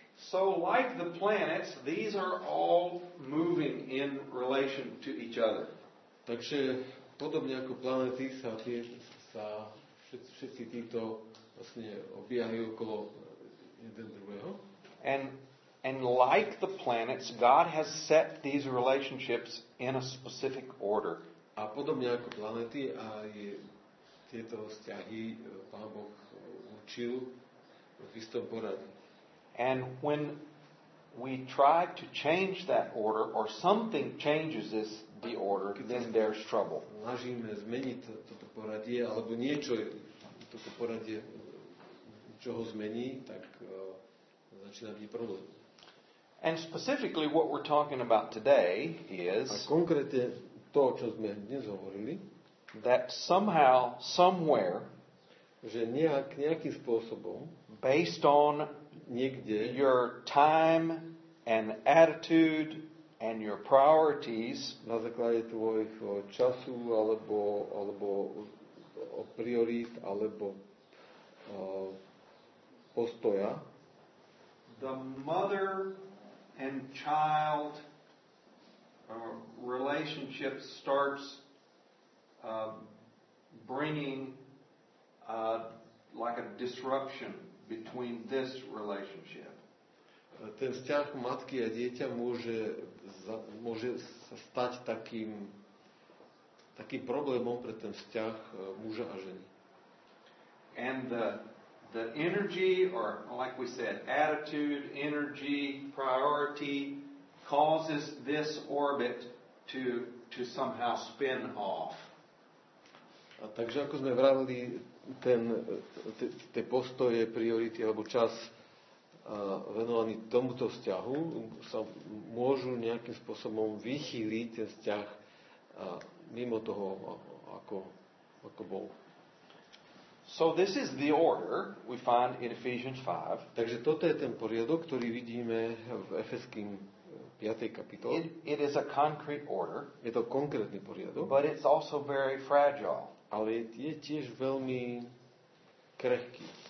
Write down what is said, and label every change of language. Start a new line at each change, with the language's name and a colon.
English: So, like the planets, these are all moving in relation to each other.
Slovak: Takže, podobne ako planety, sa všetci títo vlastne obiehajú okolo jeden druhého.
English: And like the planets, God has set these relationships in a specific order.
Slovak: A podobne ako planety, aj tieto vzťahy Pán Boh učil v istom poradí.
English: And when we try to change that order or something changes this the order, then there's trouble.
Slovak: Snažíme zmeniť toto poradie alebo niečo toto poradie čo ho zmení, tak začína byť problém.
English: And specifically what we're talking about today is
Slovak: a konkrétne to, čo sme dnes hovorili,
English: that somehow somewhere
Slovak: že nejakým spôsobom
English: based on
Slovak: niekde
English: your time and attitude and your priorities
Slovak: na základe tvojho času alebo o priorit alebo postoja
English: the mother and child relationship starts bringing like a disruption between this relationship.
Slovak: Ten vzťah matky a dieťa môže sa stať takým problémom pre ten vzťah muža a ženy.
English: And the energy or like we said attitude, energy, priority causes this orbit to somehow spin off.
Slovak: A takže ako sme vravili ten tie postoje, priority alebo čas venovaný tomuto vzťahu sa môžu nejakým spôsobom vychýliť ten vzťah mimo toho ako bol.
English: So this is the order we find in Ephesians 5.
Slovak: Takže toto je ten poriadok, ktorý vidíme v Efeským 5. kapitole.
English: It is a concrete order.
Slovak: Je to konkrétny poriadok.
English: But it's also very fragile.
Slovak: Ale je tiež veľmi krehký.